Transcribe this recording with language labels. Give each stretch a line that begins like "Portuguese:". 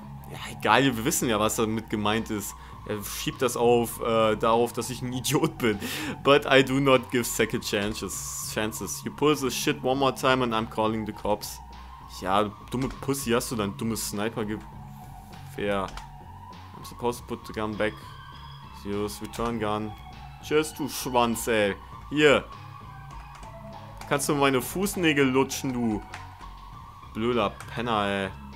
German: Ja, egal, wir wissen ja, was damit gemeint ist. Er schiebt das auf, darauf, dass ich ein Idiot bin.
English: But I do not give second chances. You pull this shit one more time and I'm calling the cops.
German: Ja, dumme Pussy, hast du dein dummes Sniper-Gewehr.
English: I'm supposed to put the gun back. Serious return gun.
German: Tschüss, du Schwanz, ey. Hier. Kannst du meine Fußnägel lutschen, du blöder Penner, ey.